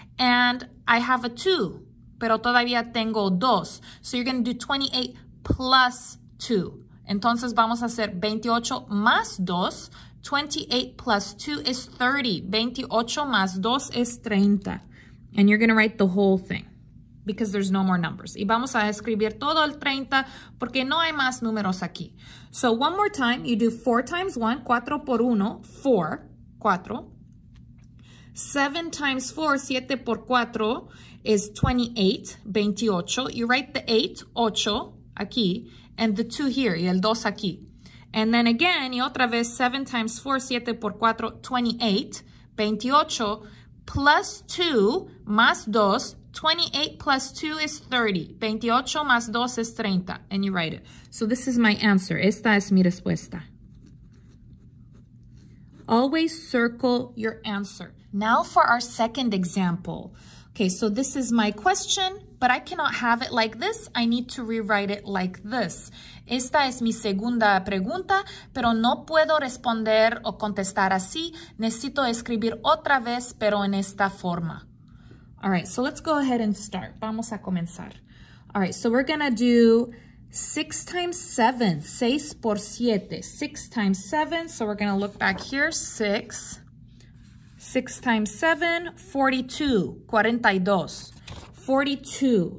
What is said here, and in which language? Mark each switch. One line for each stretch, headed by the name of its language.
English: And I have a 2.
Spanish: Pero todavía tengo 2.
English: So you're going to do 28 plus 2.
Spanish: Entonces vamos a hacer 28 más 2.
English: 28 plus 2 is 30.
Spanish: 28 más 2 es 30.
English: And you're going to write the whole thing because there's no more numbers.
Spanish: Y vamos a escribir todo el 30 porque no hay más números aquí.
English: So one more time, you do 4 times 1,
Spanish: 4 por 1,
English: 4, 4. 7 times 4,
Spanish: 7 por 4
English: is 28, 28. You write the 8,
Spanish: 8 aquí,
English: and the 2 here,
Spanish: y el 2 aquí.
English: And then again,
Spanish: y otra vez,
English: 7 times 4,
Spanish: 7 por 4,
English: 28, 28, plus 2,
Spanish: más 2,
English: 28 plus 2 is 30,
Spanish: 28 más 2
English: is 30, and you write it. So this is my answer.
Spanish: Esta es mi respuesta.
English: Always circle your answer. Now for our second example. Okay, so this is my question, but I cannot have it like this. I need to rewrite it like this.
Spanish: Esta es mi segunda pregunta, pero no puedo responder o contestar así. Necesito escribir otra vez, pero en esta forma.
English: All right, so let's go ahead and start.
Spanish: Vamos a comenzar.
English: All right, so we're going to do 6 times 7.
Spanish: 6 por 7.
English: 6 times 7. So we're going to look back here. 6. 6 times 7, 42. 42. 42.